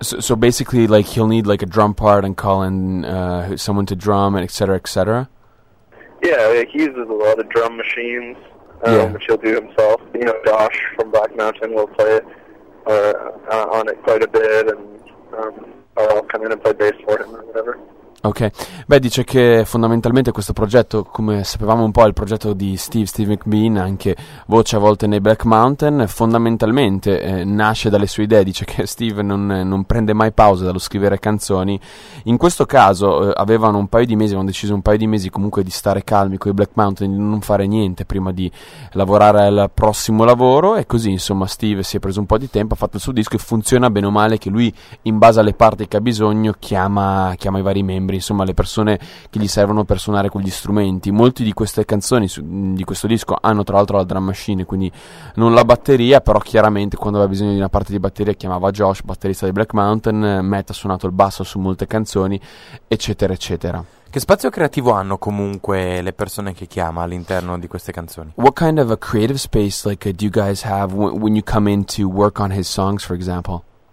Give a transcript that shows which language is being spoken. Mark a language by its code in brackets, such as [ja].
[en] So basically, he'll need a drum part and call in someone to drum and et cetera, et cetera. Yeah, he uses a lot of drum machines. Yeah. Which he'll do himself. You know, Josh from Black Mountain will play on it quite a bit, and I'll come in and play bass for him or whatever. [it] Ok, beh, dice che fondamentalmente questo progetto, come sapevamo un po', è il progetto di Steve McBean, anche voce a volte nei Black Mountain, fondamentalmente nasce dalle sue idee. Dice che Steve non prende mai pause dallo scrivere canzoni. In questo caso avevano deciso un paio di mesi comunque di stare calmi con i Black Mountain, di non fare niente prima di lavorare al prossimo lavoro, e così insomma Steve si è preso un po' di tempo, ha fatto il suo disco, e funziona bene o male che lui, in base alle parti che ha bisogno, chiama i vari membri, insomma le persone che gli servono per suonare quegli strumenti. Molte di queste canzoni di questo disco hanno tra l'altro la drum machine, quindi non la batteria, però chiaramente quando aveva bisogno di una parte di batteria chiamava Josh, batterista di Black Mountain. Matt ha suonato il basso su molte canzoni, eccetera eccetera. Che spazio creativo hanno comunque le persone che chiama all'interno di queste canzoni? [en] What kind of a creative space do you guys have when you come in to work on his songs, for example?